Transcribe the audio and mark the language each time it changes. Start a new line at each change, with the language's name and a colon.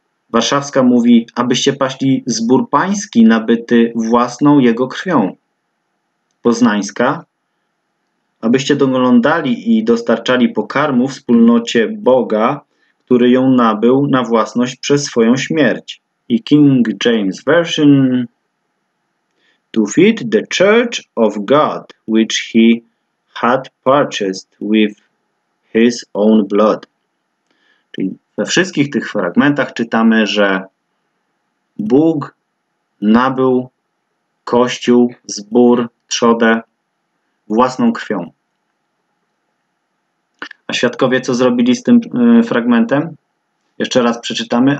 Polish: Warszawska mówi, abyście paśli zbór pański nabyty własną jego krwią. Poznańska, abyście doglądali i dostarczali pokarmu wspólnocie Boga, który ją nabył na własność przez swoją śmierć.
English: I King James Version, to feed the church of God, which he had purchased with his own blood.
Polish: Czyli we wszystkich tych fragmentach czytamy, że Bóg nabył Kościół, zbór, trzodę własną krwią. A świadkowie co zrobili z tym fragmentem? Jeszcze raz przeczytamy.